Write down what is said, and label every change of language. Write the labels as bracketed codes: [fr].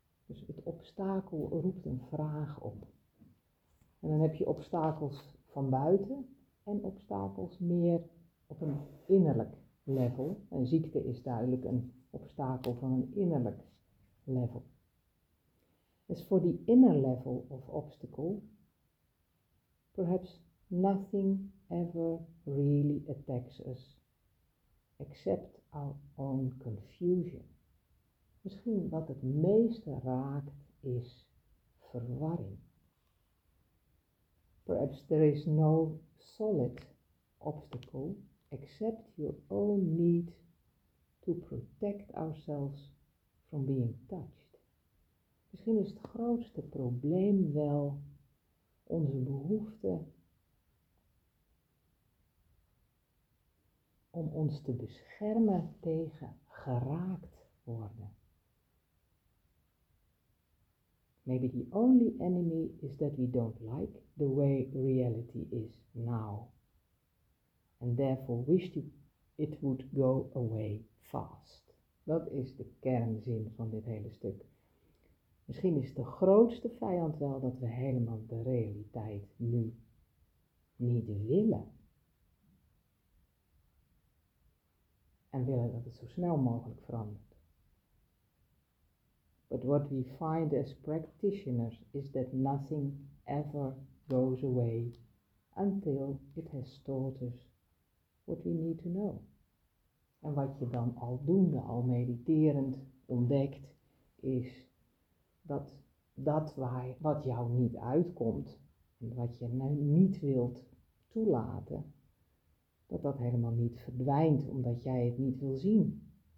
[nl] Dus het obstakel roept een vraag op. En dan heb je obstakels van buiten en obstakels meer op een innerlijk level. Een ziekte is duidelijk een obstakel van een innerlijk level. Dus voor die [en] inner level of obstacle, perhaps nothing ever really attacks us except our own confusion. [nl] Misschien wat het meeste raakt is verwarring. [en] Perhaps there is no solid obstacle except your own need to protect ourselves from being touched. [nl] Misschien is het grootste probleem wel onze behoefte om ons te beschermen tegen geraakt worden. [en] Maybe the only enemy is that we don't like the way reality is now, and therefore wish it would go away fast. [nl] Dat is de kernzin van dit hele stuk. Misschien is de grootste vijand wel dat we helemaal de realiteit nu niet willen. En willen dat het zo snel mogelijk verandert. [en] But what we find as practitioners is that nothing ever goes away until it has taught us what we need to know. [nl] En wat je dan aldoende, al mediterend ontdekt, is dat wat jou niet uitkomt, en wat je nu niet wilt toelaten, dat helemaal niet verdwijnt, omdat jij het niet wil zien.